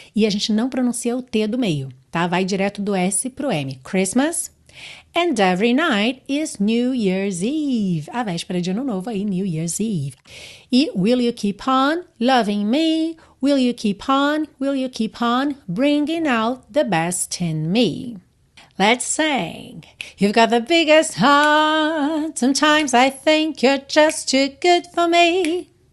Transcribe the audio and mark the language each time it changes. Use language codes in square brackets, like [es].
[pt] E a gente não pronuncia o T do meio, tá? Vai direto do S pro M. Christmas. [en] And every night is New Year's Eve. [pt] A véspera de ano novo aí, [en] New Year's Eve. E will you keep on loving me? Will you keep on? Will you keep on bringing out the best in me? Let's sing. You've got the biggest heart. Sometimes I think you're just too good for me.